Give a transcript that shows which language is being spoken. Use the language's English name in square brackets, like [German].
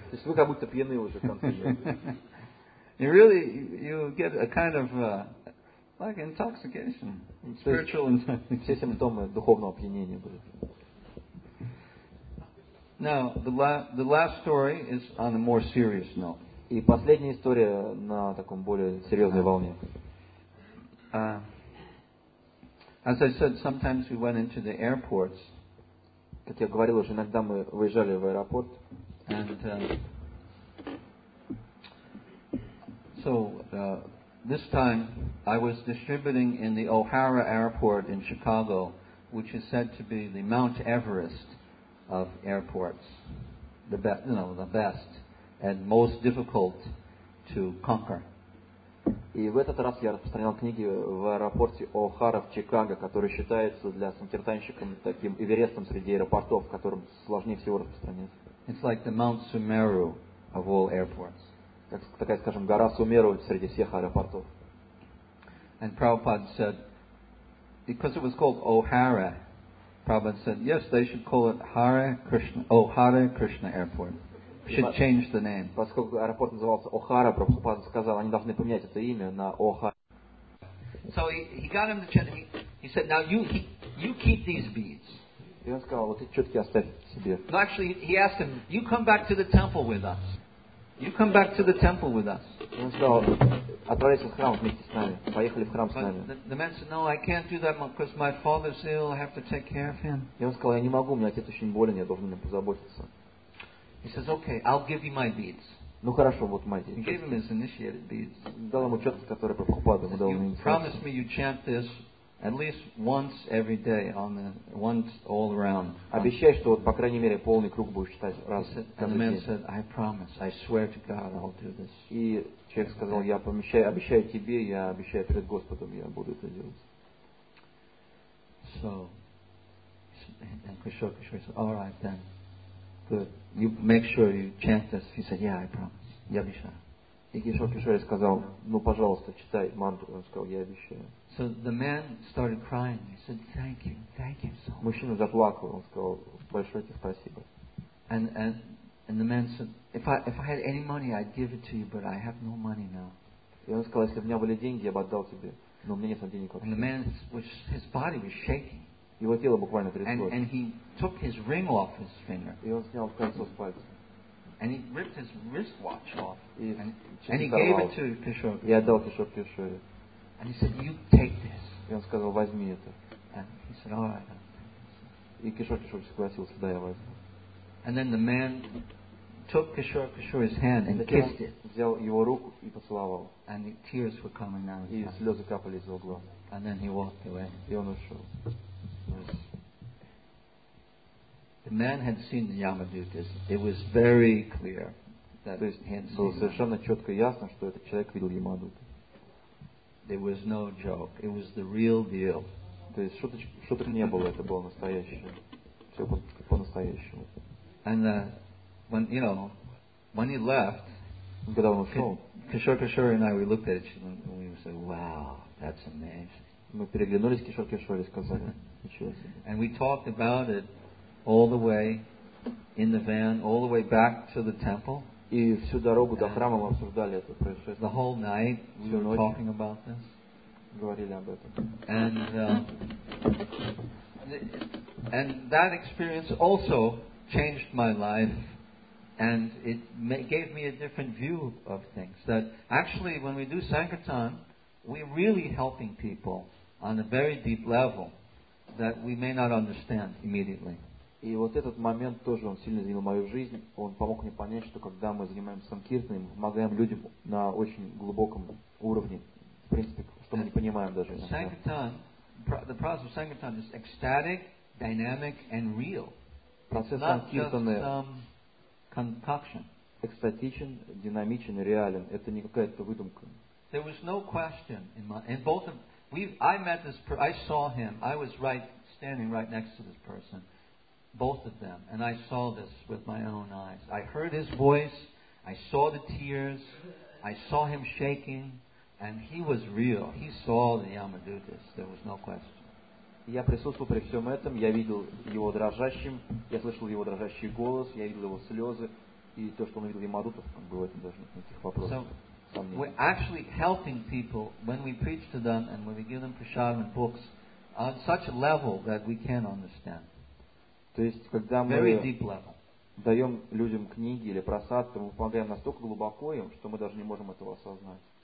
[Russian] То есть вы как будто пьяны уже в конце дня. [English] You get a kind of like intoxication, spiritual intoxication. [Russian] Все симптомы духовного опьянения были. [English] Now the last story is on a more serious note. [Russian] И последняя история на таком более серьезной волне. [English] As I said, sometimes we went into the airports. [Russian] Как я говорил уже, иногда мы выезжали в аэропорт. [English] And, so this time I was distributing in the O'Hara Airport in Chicago, which is said to be the Mount Everest of airports, the best and most difficult to conquer. [Russian] И в этот раз я распространял книги в аэропорте О'Хара в Чикаго, который считается для самотертанщиков таким Эверестом среди аэропортов, в котором сложнее всего распространиться. [English] It's like the Mount Sumeru of all airports. [Russian] Как такая, скажем, гора Сумеру среди всех аэропортов. [English] And Prabhupada said, because it was called O'Hara, Prabhupada said, yes, they should call it Hare Krishna, O'Hara Krishna Airport. Should change the name. [Russian] Поскольку аэропорт назывался О'Хара, Прабхупада сказал, они должны поменять это имя на О'Хара. [English] So he got him to change. He said, now you keep these beads. [Russian] И он сказал, вот эти чётки оставь себе. [English] No, actually, he asked him, you come back to the temple with us. You come back to the temple with us. [Russian] И он сказал, отправляйся в храм вместе с нами. Поехали в храм с нами. [English] The man said, no, I can't do that because my father's ill. I have to take care of him. [Russian] И он сказал, я не могу, у меня отец очень болен, я должен о нём позаботиться. [English] He says, "Okay, I'll give you my beads." [Russian] Ну хорошо, вот мои [English] beads. Gave him his initiated beads. [Russian] Дал ему чётки, которые Прабхупада ему дал. [English] Promise me you chant this at least once every day, once all around. [Russian] Обещай, что вот по крайней мере полный круг будешь читать раз. [English] And the man said, "I promise. I swear to God, I'll do this." [Russian] И человек сказал, я обещаю тебе, я обещаю перед Господом, я буду это делать. [English] So, and Krishna said, "All right then." You make sure you chant this. He said, "Yeah, I promise." [Russian] Я обещаю. И Кишор сказал, ну пожалуйста, читай мантру. Он сказал, я обещаю. [English] So the man started crying. He said, thank you so much." [Russian] Мужчина заплакал. Он сказал, большое тебе спасибо. [English] And the man said, "If I had any money, I'd give it to you, but I have no money now." [Russian] И он сказал, если бы у меня были деньги, я бы отдал тебе, но у меня нет денег. [English] And the man, his body was shaking. [Russian] Его тело буквально трясло. [English] And he took his ring off his finger. [Russian] И он снял кольцо с пальца. [English] And he ripped his wristwatch off. And he gave it to Кишор. [Russian] И отдал Кишор Кишоре. [English] And he said, "You take this." [Russian] И он сказал, возьми это. [English] And he said, "All right." [Russian] И Кишор Кишоре согласился, да, я возьму. [English] And then the man took Кишор Кишоре's hand and kissed it. [Russian] Взял его руку и поцеловал. [English] And the tears were coming down. [Russian] И слезы капали из его глаз. [English] And then he walked away. [Russian] И он ушел. [English] The man had seen the Yamadutas. It was very clear that he had seen. [Russian] Было совершенно четко ясно, что этот человек видел Ямадуты. [English] There was no joke. It was the real deal. [Russian] То есть шуток не было. Это было настоящее. Все по настоящему. [English] And when he left, [Russian] когда он ушел, [English] Кишор Кишоре and I, we looked at each other. said, "Wow, that's amazing." [Russian] Мы переглянулись, кишок-кишок, и сказали, ничего себе. [English] And we talked about it all the way in the van, all the way back to the temple. [Russian] И всю дорогу до храма мы обсуждали это происшествие. [English] The whole night we were talking about this. [Russian] Говорили об этом. [English] And that experience also changed my life. And it gave me a different view of things. That actually, when we do Sankirtan, we're really helping people on a very deep level that we may not understand immediately. [Russian] И вот этот момент тоже, он сильно изменил мою жизнь. Он помог мне понять, что когда мы занимаемся Санкиртаной, мы помогаем людям на очень глубоком уровне, в принципе, что мы не понимаем даже. [English] Sankirtan, the process of Sankirtan is ecstatic, dynamic, and real. [Russian] Процесс Санкиртаны... [English] Concoction. [Russian] Экстатичен, динамичен, реален. Это не какая-то выдумка. [English] There was no question in my in both of we. I met this. I saw him. I was right standing right next to this person, both of them, and I saw this with my own eyes. I heard his voice. I saw the tears. I saw him shaking, and he was real. He saw the Yamadutas. There was no question. [Russian] Я присутствовал при всем этом, я видел его дрожащим, я слышал его дрожащий голос, я видел его слезы, и то, что он видел Ямадутов, как бы в этом даже нет никаких вопросов. [English] So, we're actually helping people when we preach to them and when we give them prasadam and books on such a level that we can understand. [Russian] То есть, когда мы [English] very deep level. [Russian] Даем людям книги или просад, то мы помогаем настолько глубоко им, что мы даже не можем этого осознать.